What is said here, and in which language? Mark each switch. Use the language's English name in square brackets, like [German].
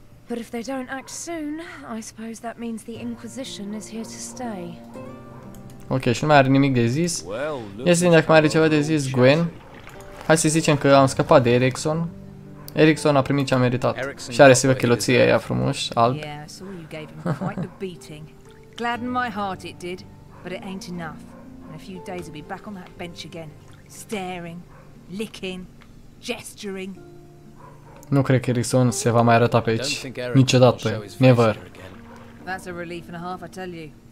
[English] But if they don't act soon, I suppose that means the Inquisition is here to stay. [Romanian] Ok, și nu mai are nimic de zis. Ia să vedem dacă mai are ceva de zis, Gwen. Hai să zicem că am scăpat de Erickson. Erickson a primit ce a meritat. Și are sigur chiloția aia frumos, alb. [English] Yeah, I saw you gave him quite the beating. Glad in my heart it did, but it ain't enough. In a few days I'll be back on that bench again, staring, licking, gesturing. [Romanian] Nu cred că Erikson se va mai arăta pe aici. Niciodată. [English] Never. That's a relief and a half, I tell you.